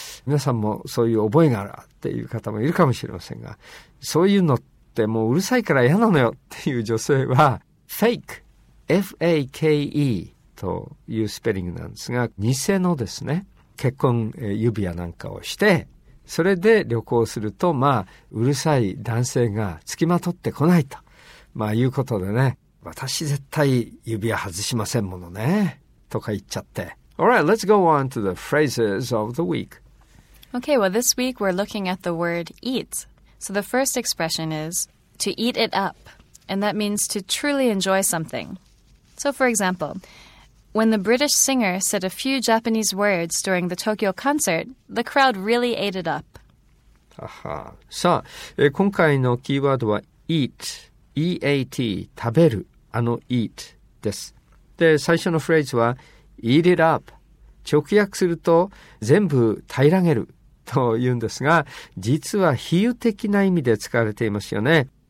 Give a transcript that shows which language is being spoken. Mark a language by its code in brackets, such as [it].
[ja] 皆さんもそういう覚えがあるっていう方もいるかもしれませんが、そういうのってもううるさいから嫌なのよっていう女性は、fake、F-A-K-E というスペリングなんですが、偽のですね、結婚指輪なんかをして、それで旅行すると、まあ、うるさい男性が付きまとってこないと、まあ、いうことでね、私絶対指輪外しませんものね。 [en] All right, let's go on to the phrases of the week. Okay, well, this week we're looking at the word eat. So the first expression is to eat it up, and that means to truly enjoy something. So for example, when the British singer said a few Japanese words during the Tokyo concert, the crowd really ate it up. Aha. [ja] さあ、今回のキーワードは eat, E-A-T, 食べる、あの eat です。で、最初のフレーズは [en] eat it up、 [ja] 直訳すると全部平らげると言うんですが、実は比喩的な意味で使われていますよね。